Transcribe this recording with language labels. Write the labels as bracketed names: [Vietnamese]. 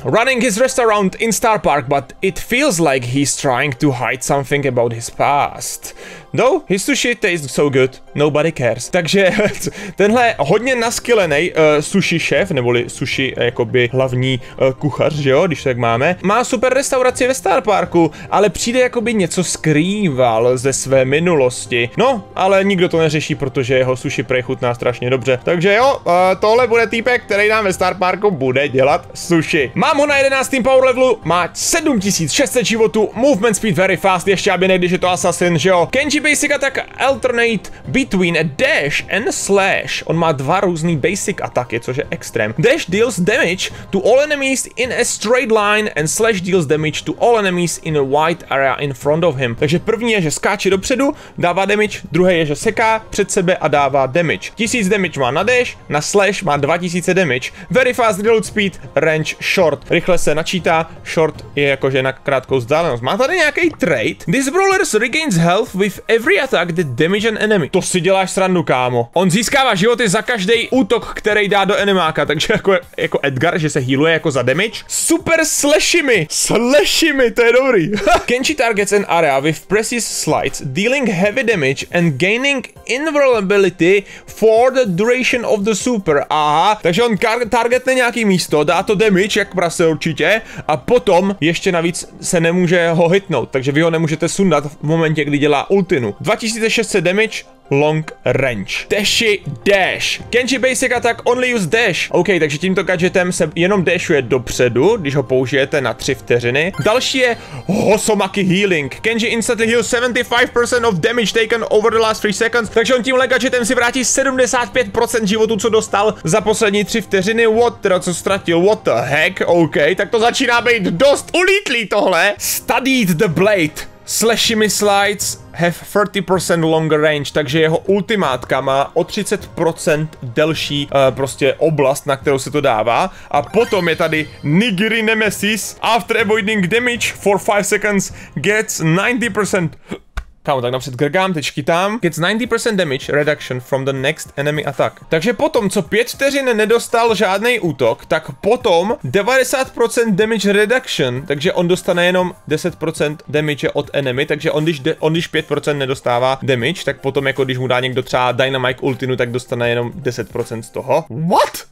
[English] Running his restaurant in Star Park, but it feels like he's trying to hide something about his past. Though his sushi tastes so good, nobody cares. [Czech] Takže tenhle hodně naskylený sushi šéf, neboli sushi jakoby hlavní kuchař, že jo, když tak máme, má super restauraci ve Star Parku, ale přijde jakoby něco skrýval ze své minulosti. No, ale nikdo to neřeší, protože jeho sushi prej chutná strašně dobře. Takže jo, tohle bude týpek, který nám ve Star Parku bude dělat sushi. Mám ho na 11. power levelu, má 7600 životů, [English] movement speed very fast, [Czech] ještě aby ne, když je to assassin, že jo. [English] Kenji basic attack alternate between a dash and slash. [Czech] On má dva různý basic ataky, což je extrém. [English] Dash deals damage to all enemies in a straight line and slash deals damage to all enemies in a wide area in front of him. [Czech] Takže první je, že skáče dopředu, dává damage, druhé je, že seká před sebe a dává damage. 1000 damage má na dash, na slash má 2000 damage. [English] Very fast reload speed, range short. [Czech] Rychle se načítá, short je jakože na krátkou vzdálenost. Má tady nějaký trait? [English] This brawler regains health with every attack that damage an enemy. [Czech] To si děláš srandu, kámo. On získává životy za každý útok, který dá do enemáka, takže jako Edgar, že se healuje jako za damage. Super slashimi! Slashimi, to je dobrý. [English] Kenji targets an area with precise slides, dealing heavy damage and gaining invulnerability for the duration of the super, aha, [Czech] takže on targetne nějaký místo, dá to damage, jak prase určitě, a potom ještě navíc se nemůže ho hitnout, takže vy ho nemůžete sundat v momentě, kdy dělá ultinu. 2600 damage, [English] long range. Teshi dash. Kenji basic attack only use dash. [Czech] OK, takže tímto gadgetem se jenom dashuje dopředu, když ho použijete na 3 vteřiny. Další je Hosomaki healing. [English] Kenji instantly heals 75% of damage taken over the last 3 seconds. [Czech] Takže on tímhle gadgetem si vrátí 75% životu, co dostal za poslední 3 vteřiny. [English] What, [Czech] teda co ztratil? [English] What the heck? [Czech] OK, tak to začíná být dost ulítlý tohle. [English] Studied the blade. Slashimi slides have 30% longer range, [Czech] takže jeho ultimátka má o 30% delší prostě oblast, na kterou se to dává. A potom je tady [English] Nigiri Nemesis. After avoiding damage for 5 seconds gets 90%. [Czech] Kámo, tak napřed grgám, teď škytám. [English] Gets 90% damage reduction from the next enemy attack. [Czech] Takže potom, co 5 vteřin nedostal žádný útok, tak potom 90% damage reduction, takže on dostane jenom 10% damage od enemy, takže on když, 5% nedostává damage, tak potom jako když mu dá někdo třeba Dynamite ultinu, tak dostane jenom 10% z toho. [English] What?